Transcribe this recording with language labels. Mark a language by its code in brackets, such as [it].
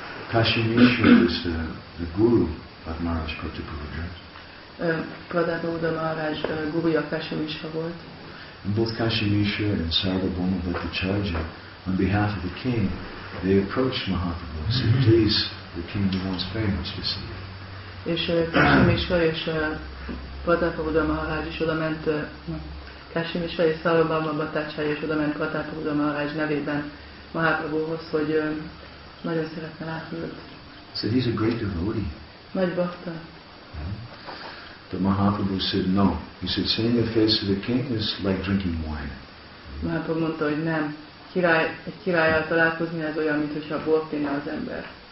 [en] Kashi Mishra is the guru of Maharaj Pratapurudra. [hu] Pratapurudra Maharaj guruja Kashi Mishra volt. [en] And both Kashi Mishra and Sarvabhauma Bhattacharya, on behalf of the king, they approached Mahaprabhu and said, please, the kingdom wants very much to see you. [hu] És Kashimishvar és Pratapabuddha Maharaj is odament, Kashimishvar és Sarvabhauma Bhattacharya is odament Pratapabuddha Maharaj nevében Mahaprabhuhoz, hogy nagyon szeretne látni őt. [en] So he's a great devotee. [hu] Nagy bhakta. [en] The Mahaprabhu said no. He said, seeing the face of the king is like drinking wine. [hu] Mahaprabhu mondta, hogy nem. Egy királlyal találkozni ez olyan, mint hogyha bort inne az ember.